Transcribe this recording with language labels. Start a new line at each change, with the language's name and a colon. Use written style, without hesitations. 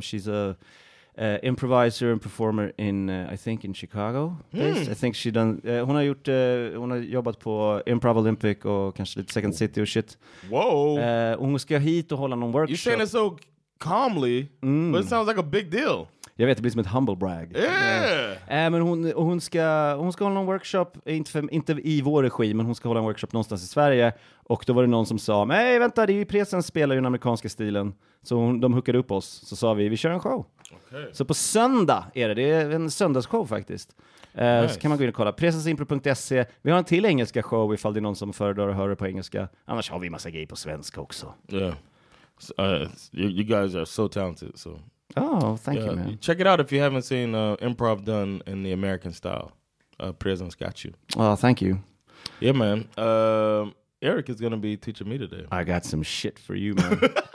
English: She's a improviser and performer in I think in Chicago. Mm. I think she done
Swedish: hon har jobbat på Improv Olympic och kanske lite Second City och shit.
English: Whoa.
Swedish: Hon ska hit och hålla någon workshop.
English: You're saying it so calmly, but it sounds like a big deal.
Swedish: Jag vet, det blir som ett humble brag.
English: Yeah.
Swedish: Men hon ska hålla någon workshop, inte i vår regi, men hon ska hålla en workshop någonstans i Sverige. Och då var det någon som sa, nej vänta, det är ju Presen spelar ju den amerikanska stilen. Så de hookade upp oss. Så sa vi kör en show.
English: Okay.
Swedish: Så på söndag är det är en söndagsshow faktiskt.
English: Nice.
Swedish: Så kan man gå in och kolla. Presensimpro.se. Vi har en till engelska show ifall det är någon som föredrar och hör på engelska. Annars har vi en massa grejer på svenska också.
English: Yeah. So, you guys are so talented, so. Oh, thank you, man. Check it out if you haven't seen improv done in the American style. Presence got you. Oh, thank you. Yeah, man. Eric is going to be teaching me today. I got some shit for you, man.